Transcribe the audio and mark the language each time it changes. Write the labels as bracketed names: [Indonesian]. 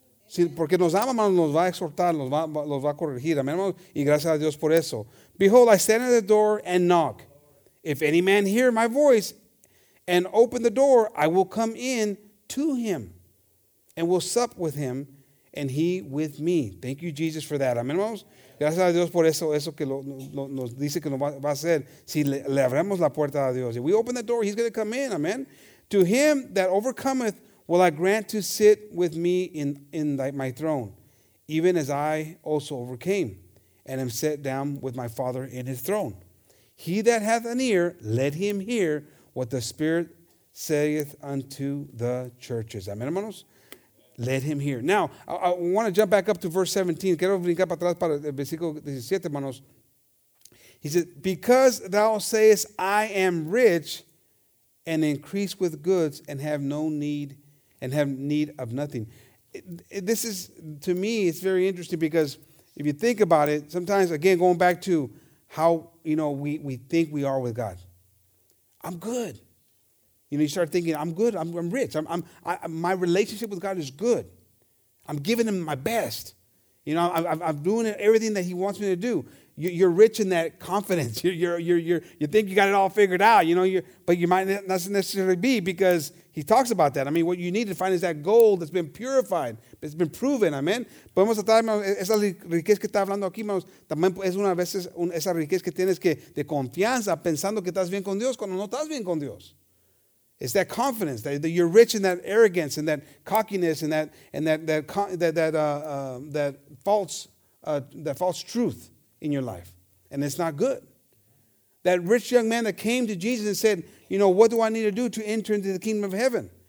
[Spanish] Sí, porque nos ama, hermanos, nos va a exhortar, nos va a corregir. Amén, hermanos. Y gracias a Dios por eso. [English] Behold, I stand at the door and knock. If any man hear my voice and open the door, I will come in to him, and will sup with him, and he with me. Thank you, Jesus, for that. [Spanish] Amén, hermanos. Gracias a Dios por eso que nos dice que nos va a hacer. Si le abrimos la puerta a Dios. [English] If we open the door, he's going to come in. Amen. To him that overcometh will I grant to sit with me in my throne, even as I also overcame and am set down with my Father in his throne. He that hath an ear, let him hear what the Spirit saith unto the churches. [Spanish] Amen, hermanos? [English] Let him hear. Now, I want to jump back up to verse 17. [Spanish] Quiero brincar para atrás para el versículo 17, hermanos. [English] He said, because thou sayest, I am rich and increase with goods and have no need and have need of nothing. This is, to me, it's very interesting because if you think about it, sometimes, again, going back to how, you know, we think we are with God. I'm good. You know, you start thinking, I'm good. I'm rich. My relationship with God is good. I'm giving him my best. You know, I'm doing everything that he wants me to do. You're rich in that confidence. You think you got it all figured out. You know, but you might not necessarily be, because he talks about that. I mean, what you need to find is that gold that's been purified. It's been proven. Amen. [Spanish] Podemos estar, esa riqueza que está hablando aquí, también es una vez esa riqueza que tienes que de confianza, pensando que estás bien con Dios cuando no estás bien con Dios. [English] It's that confidence that you're rich in that arrogance and that cockiness and that false truth in your life, and it's not good. That rich young man that came to Jesus and said, you know, what do I need to do to enter into the kingdom of heaven?